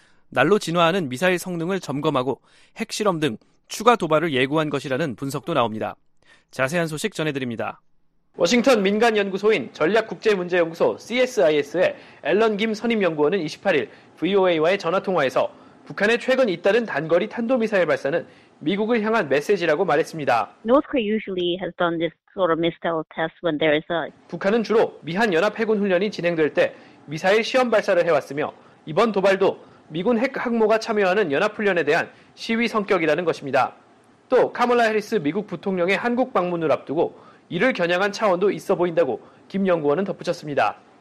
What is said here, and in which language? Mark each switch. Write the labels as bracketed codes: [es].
[ko] 날로 진화하는 미사일 성능을 점검하고 핵실험 등 추가 도발을 예고한 것이라는 분석도 나옵니다. 자세한 소식 전해드립니다. 워싱턴 민간연구소인 전략국제문제연구소 CSIS의 앨런 김 선임연구원은 28일 VOA와의 전화통화에서 북한의 최근 잇따른 단거리 탄도미사일 발사는 미국을 향한 메시지라고 말했습니다. [en] North Korea usually has done this sort of missile test when there is a [ko] 북한은 주로 미한 연합 해군 훈련이 진행될 때 미사일 시험 발사를 해왔으며 이번 도발도 미군 핵 항모가 참여하는 연합훈련에 대한 시위 성격이라는 것입니다. 또 카멀라 해리스 미국 부통령의 한국 방문을 앞두고 이를 겨냥한 차원도 있어 보인다고 김 연구원은 덧붙였습니다.